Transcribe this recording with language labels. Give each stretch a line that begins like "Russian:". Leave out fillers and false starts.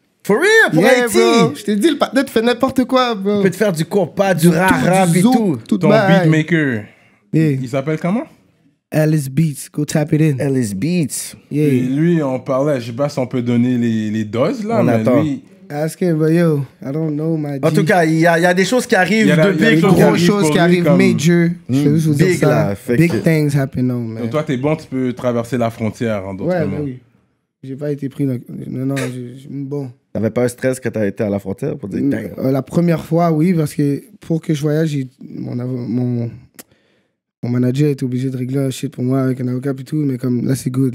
English: For real,
French: pour Haïti. Je t'ai dit, le partner te fait n'importe quoi, bro. Il peut te faire du compas, du rara, et tout. Ton beatmaker. Yeah. Il s'appelle comment?
English: Ellis Beats. Go tap it in. Ellis Beats. Yeah.
French: Et lui, on parlait, je sais pas si on peut donner les doses, là. On mais attend. Lui,
English: ask him, but yo, I don't know, my G.
French: En tout cas, il y a des choses qui arrivent de big. Il y a des grosses choses qui arrivent, comme... major. Je vais vous dire big, ça. Là,
English: big things happen now, man.
French: Donc toi, t'es bon, tu peux traverser la frontière, en d'autres mots. Ouais, oui. J'ai pas été pris. Non, j'ai bon. T'avais pas un stress quand t'as été à la frontière pour dire dang? La première fois, oui, parce que pour que je voyage, mon manager était obligé de régler un shit pour moi avec un avocat et tout, mais comme là, c'est good.